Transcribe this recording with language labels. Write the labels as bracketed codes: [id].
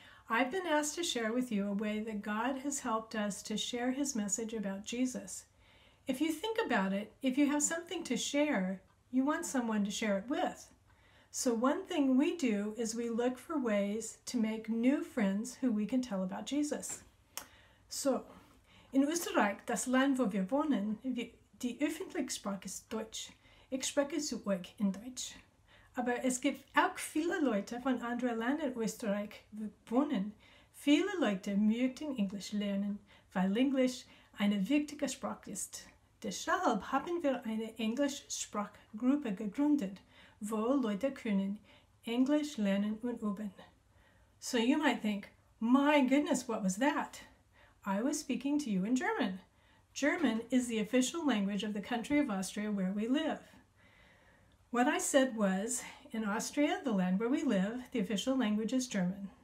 [en] I've been asked to share with you a way that God has helped us to share his message about Jesus. If you think about it, if you have something to share, you want someone to share it with. So one thing we do is we look for ways to make new friends who we can tell about Jesus. [de] So, in Österreich, das Land, wo wir wohnen, die öffentliche Sprache ist Deutsch. Ich spreche zu euch in Deutsch. Aber es gibt auch viele Leute von anderen Ländern Österreich, wo wohnen. Viele Leute möchten Englisch lernen, weil Englisch eine wichtige Sprache ist. Deshalb haben wir eine Englischsprachgruppe gegründet, wo Leute können Englisch lernen und üben. [en] So you might think, my goodness, what was that? I was speaking to you in German. German is the official language of the country of Austria where we live. What I said was, in Austria, the land where we live, the official language is German.